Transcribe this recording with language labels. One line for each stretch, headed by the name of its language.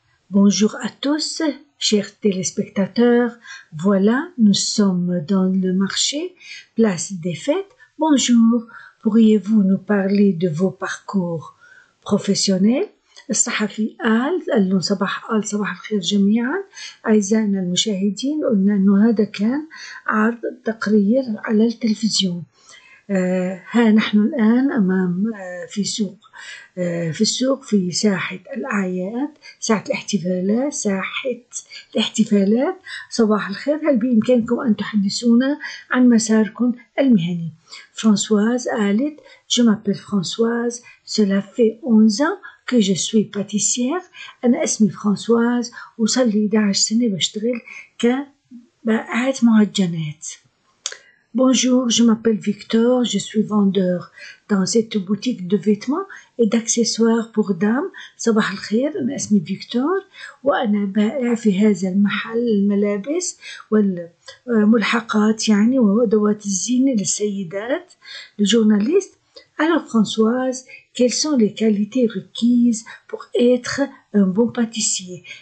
French: Bonjour à tous, chers téléspectateurs. Voilà, nous sommes dans le marché, place des fêtes. Bonjour, pourriez-vous nous parler de vos parcours professionnels?
Arabic: الصحفي قال لهم صباح قال صباح الخير جميعا أعزائنا المشاهدين قلنا أنه هذا كان عرض تقرير على التلفزيون. ها نحن الآن أمام في سوق في السوق في ساحة الأعياد ساعة الاحتفالات ساحة الاحتفالات صباح الخير هل بإمكانكم أن تحدثونا عن مساركم المهني؟ فرانسواز قالت
French: Je m'appelle Françoise, cela fait 11 ans que je suis pâtissière.
Arabic: أنا اسمي فرانسواز وصل لي 11 سنة بشتغل كبائعة معجنات.
French: Bonjour, je m'appelle Victor, je suis vendeur dans cette boutique de vêtements et d'accessoires pour dames.
Arabic: صباح الخير, أنا اسمي فيكتور وأنا بائع في هذا المحل الملابس والملحقات يعني وأدوات الزينة للسيدات.
French: Le journaliste. Alors Françoise, quelles sont les qualités requises pour être un bon pâtissier?